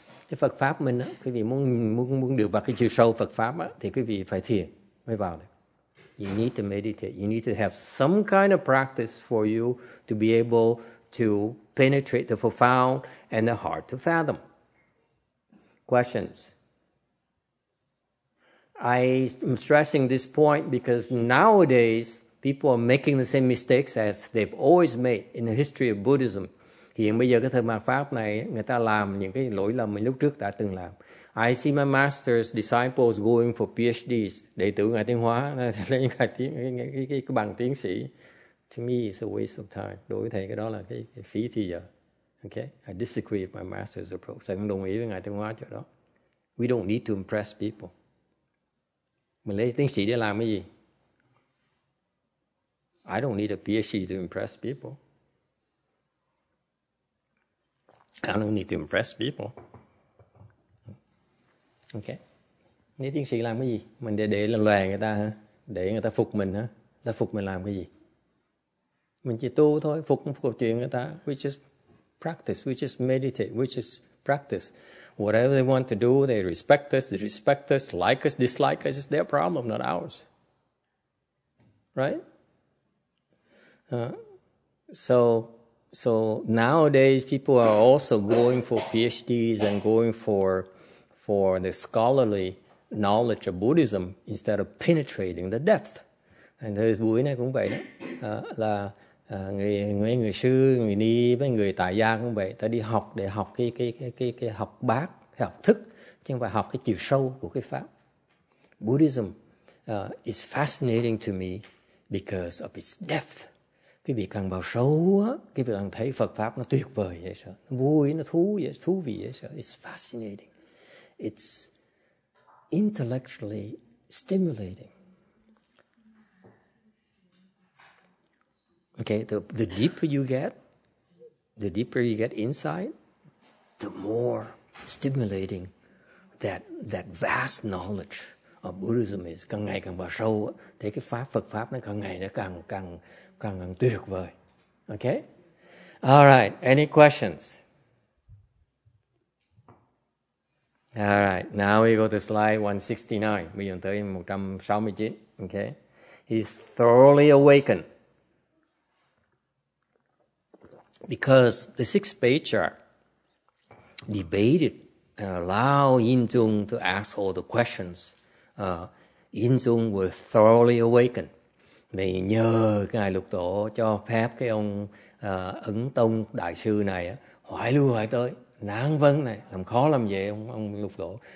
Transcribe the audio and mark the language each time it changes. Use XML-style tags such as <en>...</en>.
<vi>Cái Phật Pháp mình, quý vị muốn được vào cái chiều sâu Phật Pháp á, thì quý vị phải thiền mới vào được.</vi> <en>You need to meditate. You need to have some kind of practice for you to be able to penetrate the profound and the hard to fathom. Questions? I am stressing this point because nowadays people are making the same mistakes as they've always made in the history of Buddhism.</en> <vi>Hiện bây giờ cái thời mạt pháp này người ta làm những cái lỗi lầm mình lúc trước đã từng làm.</vi> <en>I see my master's disciples going for PhDs,</en> <vi>đệ tử Ngài Tiến Hóa lấy cái bằng tiến sĩ.</vi> <en>To me it's a waste of time.</en> <vi>Đối với thầy cái đó là cái phí thì giờ.</vi> <en>Okay, I disagree with my master's approach.</en> <vi>Tôi không đồng ý với Ngài Tiến Hóa chỗ đó.</vi> <en>We don't need to impress people.</en> <vi>Mình lấy tiến sĩ để làm cái gì?</vi> <en>I don't need a PhD to impress people. I don't need to impress people.</en> <vi>Okay. Nếu tiến sĩ làm cái gì? Mình để lên loài người ta hả? Để người ta phục mình hả? Ta phục mình làm cái gì? Mình chỉ tu thôi, phục chuyện người ta.</vi> <en>We just practice, we just meditate, we just practice. Whatever they want to do, they respect us, like us, dislike us, it's their problem, not ours. Right? So nowadays people are also going for PhDs and going for the scholarly knowledge of Buddhism instead of penetrating the depth.</en> <vi>And thời buổi này cũng vậy đó, người sư, người ni với người tại gia cũng vậy, ta đi học để học cái học bát, cái học thức, chứ không phải học cái chiều sâu của cái pháp.</vi> <en>Buddhism is fascinating to me because of its depth.</en> <vi>Cái việc càng vào sâu á, cái việc càng thấy Phật Pháp nó tuyệt vời vậy sao? Nó vui, nó thú vậy, thú vị vậy sao?</vi> <en>It's fascinating. It's intellectually stimulating. Okay, the deeper you get, the deeper you get inside, the more stimulating that vast knowledge of Buddhism is.</en> <vi>Càng ngày càng vào sâu, thế cái pháp Phật pháp nó càng ngày nó càng tuyệt vời.</vi> <en>Okay? All right, any questions? All right, now we go to slide 169.</en> <vi>Bây giờ tới 169.</vi> <en>Okay? He's thoroughly awakened. Because the sixth patriarch debated and allowed Yin Zung to ask all the questions, Yin Zung was thoroughly awakened.</en> <vi>Vì nhờ Ngài Lục Tổ cho phép cái ông Ấn Tông Đại Sư này hỏi lưu hỏi tới, nán vấn này, làm khó làm vậy ông Lục Tổ.</vi>